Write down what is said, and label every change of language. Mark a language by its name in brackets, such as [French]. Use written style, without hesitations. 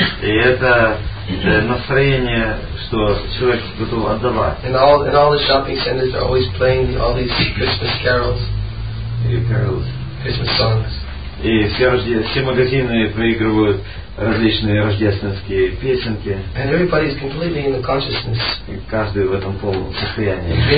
[Russian] И это настроение, что человек готов отдавать. [English] In all the shopping centers are always playing all these Christmas carols. Christmas songs. [Russian] И все магазины проигрывают различные рождественские песенки. [English] And everybody is completely in the consciousness. [Russian] И каждый в этом полном состоянии.